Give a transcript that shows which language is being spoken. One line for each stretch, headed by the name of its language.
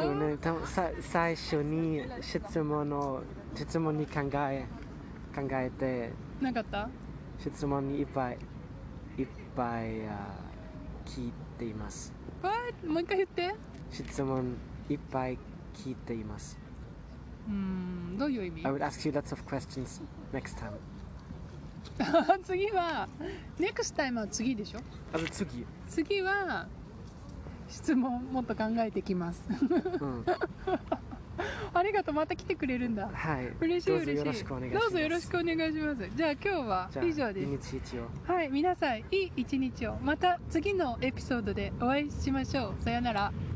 Japanese: そうね、最初に質問に考えてなかった。質問にいっぱい聞いています。もう一回言って。質問いっぱい聞いています。どういう意味？
English: I would ask you lots of questions next time
Japanese: 次は next time は次でしょ。あの次、次は質問もっと考えてきます、ありがとう、また来てくれるんだ、はい、嬉しい嬉しい、どうぞよろしくお願いします。じゃあ今日は以上です。じゃあ一日を、はい、皆さんいい一日を、また次のエピソードでお会いしましょう。さよなら。